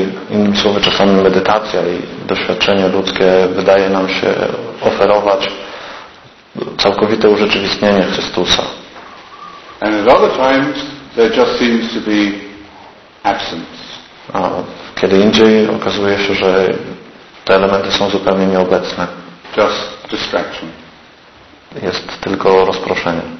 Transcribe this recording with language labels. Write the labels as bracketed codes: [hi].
[pl] Innymi słowy, czasami medytacja i doświadczenie ludzkie wydaje nam się oferować całkowite urzeczywistnienie Chrystusa. [en] And at other times there just seems to be absence. [pl] A kiedy indziej okazuje się, że te elementy są zupełnie nieobecne. [en] Just distraction. [pl] Jest tylko rozproszenie.